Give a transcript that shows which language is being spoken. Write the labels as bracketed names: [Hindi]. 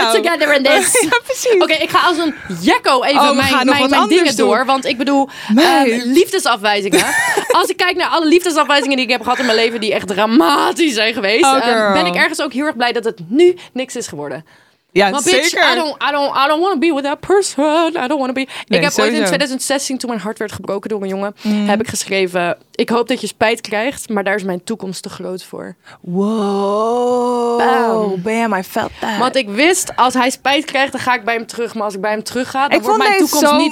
[Dutch] jou. [English] We're together in this. [Dutch] Ja, precies. Oké, ik ga als een jekko even mijn dingen door. Want ik bedoel, liefdesafwijzingen. Als ik kijk naar alle liefdesafwijzingen die ik heb gehad in mijn leven, die echt dramatisch zijn geweest. Oh, ben ik ergens ook heel erg blij dat het nu niks is geworden. Ja, maar zeker. [English] Bitch, I don't want to be with that person. I don't want to be. [Dutch] Nee, ik heb sowieso. Ooit in 2016, toen mijn hart werd gebroken door een jongen, heb ik geschreven, ik hoop dat je spijt krijgt, maar daar is mijn toekomst te groot voor. Wow. Bam, [English] I felt that. [Dutch] Want ik wist, als hij spijt krijgt, dan ga ik bij hem terug. Maar als ik bij hem terug ga, dan ik wordt mijn toekomst zo niet